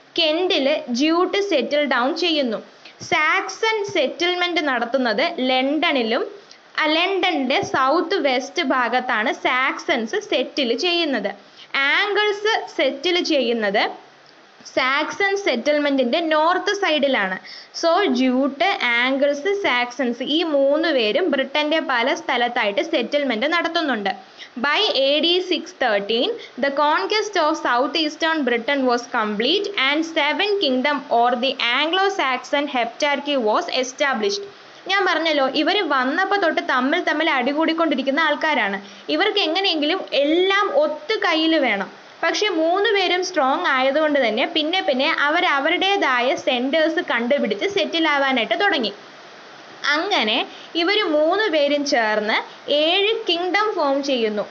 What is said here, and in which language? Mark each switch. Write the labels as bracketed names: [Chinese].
[Malayalam] കെന്റിൽ jute settle down ചെയ്യുന്നു. Saxon settlement നടത്തുന്നത് ലണ്ടനിലും ലണ്ടന്റെ south west ഭാഗത്താണ് സാക്സൺസ് സെറ്റിൽ ചെയ്യുന്നത്. ആംഗിൾസ് സെറ്റിൽ ചെയ്യുന്നത് സാക്സൺ സെറ്റിൽമെന്റിന്റെ നോർത്ത് സൈഡിലാണ്. സോ ജ്യൂട്ട്, ആംഗിൾസ്, സാക്സൺസ് ഈ മൂന്ന് പേരും ബ്രിട്ടന്റെ പല സ്ഥലത്തായിട്ട് സെറ്റിൽമെന്റ് നടത്തുന്നുണ്ട്. [English] By AD 613, the conquest of southeastern Britain was complete and 7 kingdom or the Anglo-Saxon heptarchy was established. [Malayalam] ഞാൻ പറഞ്ഞല്ലോ ഇവർ വന്നപ്പോൾ തൊട്ട് തമ്മിൽ തമ്മിൽ അടികൂടിക്കൊണ്ടിരിക്കുന്ന ആൾക്കാരാണ്. ഇവർക്ക് എങ്ങനെയെങ്കിലും എല്ലാം ഒത്തു കയ്യിൽ വേണം. പക്ഷേ മൂന്ന് പേരും സ്ട്രോങ് ആയതുകൊണ്ട് തന്നെ പിന്നെ പിന്നെ അവരവരുടേതായ സെന്റേഴ്സ് കണ്ടുപിടിച്ച് സെറ്റിലാവാനായിട്ട് തുടങ്ങി. അങ്ങനെ ഇവർ മൂന്ന് പേരും ചേർന്ന് 7 kingdom ഫോം ചെയ്യുന്നു.